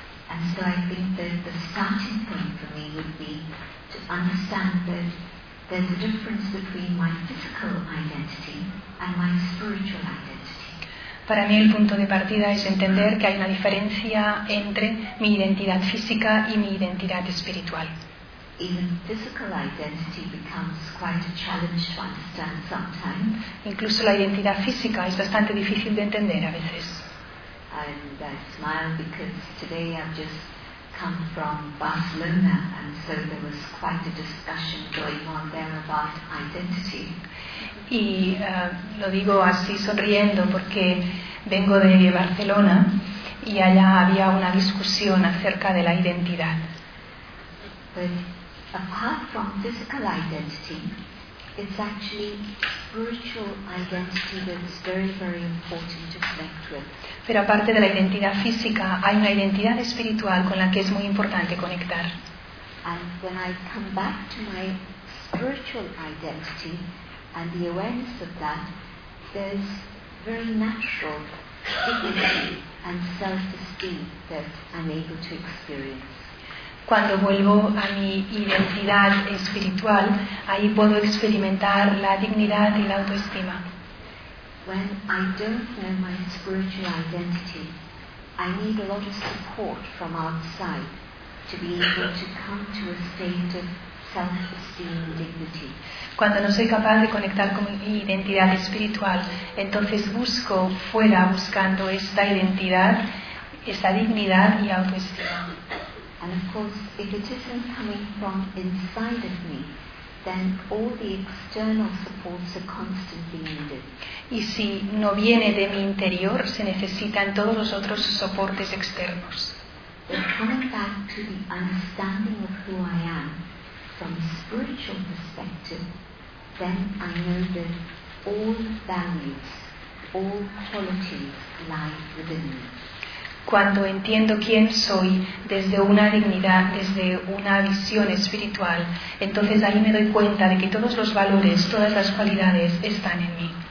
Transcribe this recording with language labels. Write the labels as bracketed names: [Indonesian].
[English] And so I think that the starting point for me would be to understand that there's a difference between my physical identity and my spiritual identity. [Spanish] Para mí el punto de partida es entender que hay una diferencia entre mi identidad física y mi identidad espiritual. [English] Even physical identity becomes quite a challenge to understand sometimes. [Spanish] Incluso la identidad física es bastante difícil de entender a veces. [English] And I smile because today I've just come from Barcelona, and so there was quite a discussion going on there about identity. [Spanish] Y lo digo así sonriendo porque vengo de Barcelona y allá había una discusión acerca de la identidad. [English] But apart from physical identity, it's actually spiritual identity that's very, very important to connect with. [Spanish] Pero aparte de la identidad física, hay una identidad espiritual con la que es muy importante conectar. [English] And when I come back to my spiritual identity and the awareness of that, there's very natural dignity and self-esteem that I'm able to experience. [Spanish] Cuando vuelvo a mi identidad espiritual, ahí puedo experimentar la dignidad y la autoestima. [English] When I don't know my spiritual identity, I need a lot of support from outside to be able to come to a state of self-esteem and dignity. [Spanish] Cuando no soy capaz de conectar con mi identidad espiritual, entonces busco fuera buscando esta identidad, esta dignidad y autoestima. [English] And of course, if it isn't coming from inside of me, then all the external supports are constantly needed. [Spanish] Y si no viene de mi interior, se necesitan todos los otros soportes externos. [English] But coming back to the understanding of who I am from a spiritual perspective, then I know that all values, all qualities lie within me. [Spanish] cuando entiendo quién soy desde una dignidad, desde una visión espiritual, entonces ahí me doy cuenta de que todos los valores, todas las cualidades están en mí.